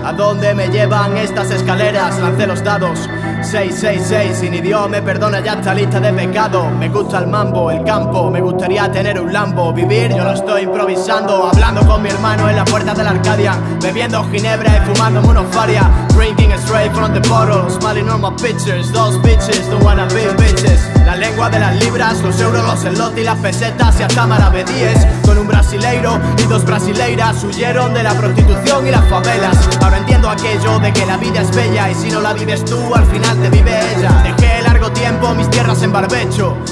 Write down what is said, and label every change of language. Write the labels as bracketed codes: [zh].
[es] ¿A dónde me llevan estas escaleras? Lancé los dados. 666, sin idioma, me perdona, ya esta lista de pecado. Me gusta el mambo, el campo, me gustaría tener un Lambo. Vivir, yo lo estoy improvisando. Hablando con mi hermano en la puerta de la Arcadia. Bebiendo ginebra y fumándome unos faria. [en] Drinking straight from the bottle. Smiling on my pictures, those bitches don't wanna be bitches. [es] La lengua de las libras, los euros, los elotes y las pesetas. Y hasta maravedíes, con un brasileiro y dos brasileiras. Huyeron de la prostitución y las favelas. Ahora entiendo aquello de que la vida es bella. Y si no la vives tú, al final te vive ella. Dejé largo tiempo mis tierras en barbecho.